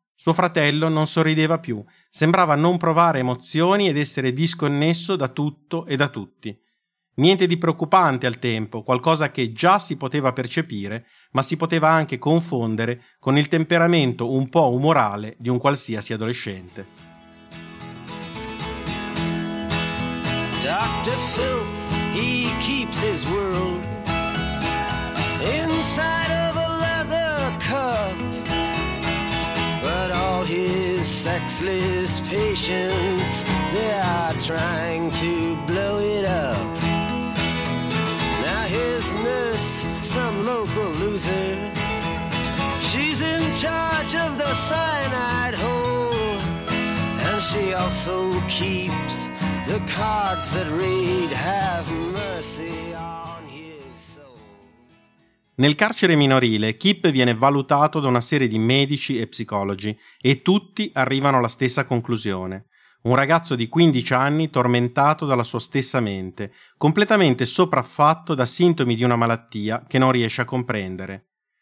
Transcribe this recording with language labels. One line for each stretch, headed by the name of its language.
Italian: Suo fratello non sorrideva più, sembrava non provare emozioni ed essere disconnesso da tutto e da tutti. Niente di preoccupante al tempo, qualcosa che già si poteva percepire, ma si poteva anche confondere con il temperamento un po' umorale di un qualsiasi adolescente.
English: Dr. Filth, he keeps his world inside of a leather cup, but all his sexless patients, they are trying to blow it up. His nurse, some local loser, she's in charge of the cyanide hole, and she also keeps the cards that read have mercy on his soul.
Italian: Nel carcere minorile Kip viene valutato da una serie di medici e psicologi e tutti arrivano alla stessa conclusione: un ragazzo di 15 anni tormentato dalla sua stessa mente, completamente sopraffatto da sintomi di una malattia che non riesce a comprendere.